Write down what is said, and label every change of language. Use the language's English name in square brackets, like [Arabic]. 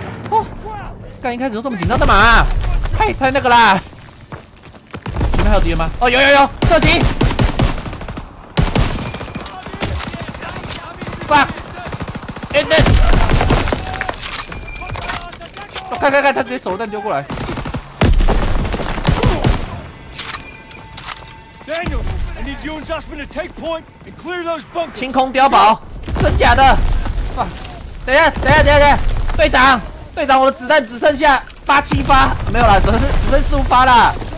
[Chinese] 哦，刚一开始就这么紧张干嘛？太那个啦！前面还有敌人吗？哦，有，射击 ！ [English] Fuck! In this！ [Chinese] 看，他直接手榴弹丢过来。 [English] Daniel, I need you and Zussman to take point and clear those bunkers. [Chinese] 清空碉堡，真假的？等一下，等一下，等一下，队长，队长，我的子弹只剩下八七发，没有了，只剩四五发啦。